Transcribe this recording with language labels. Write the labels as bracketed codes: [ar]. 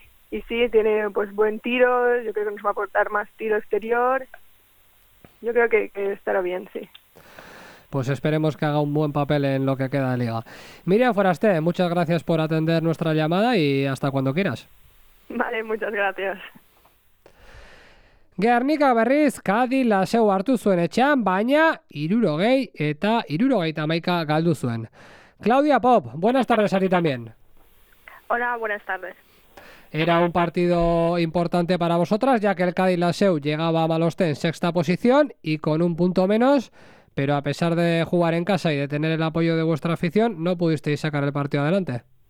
[es] y sí, tiene pues buen tiro, yo creo que nos va a aportar más tiro exterior. Yo creo que estará bien, sí. Pues esperemos que haga un buen papel en lo que queda de liga. Miriam Foraste, muchas gracias por atender nuestra llamada y hasta cuando quieras. Vale, muchas gracias. [eu] Gernika berriz, Kadi laseu hartu zuen etxean, baina 60 eta 61 galdu zuen. [es] Claudia Pop, buenas tardes a ti también. Hola, buenas tardes. Era un partido importante para vosotras, ya que el Kadi laseu llegaba a Maloste en sexta posición y con un punto menos, pero a pesar de jugar en casa y de tener el apoyo de vuestra afición, no pudisteis sacar el partido adelante.